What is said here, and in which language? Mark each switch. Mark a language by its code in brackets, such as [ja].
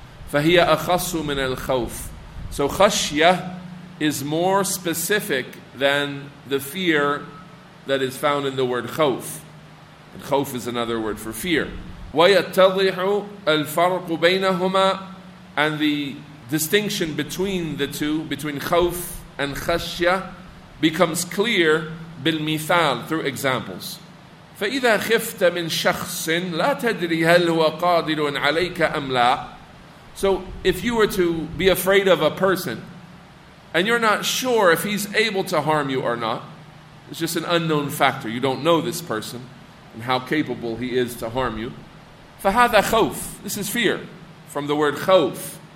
[ar] Fahiya akhassu min al-khawf. [en] So khashya is more specific than the fear that is found in the word khawf. And khawf is another word for fear. [ar] وَيَتَّضِحُ الْفَرْقُ بَيْنَهُمَا, [en] and the distinction between the two, between khawf and khashya, becomes clear [ar] بِالْمِثَال, [en] through examples. [ar] فإذا خفت من شخص لا تدري هل هو قادر عليك أم لا. [en] So if you were to be afraid of a person and you're not sure if he's able to harm you or not, it's just an unknown factor. You don't know this person and how capable he is to harm you. [ar] فهذا خوف. [en] This is fear. From the word خوف.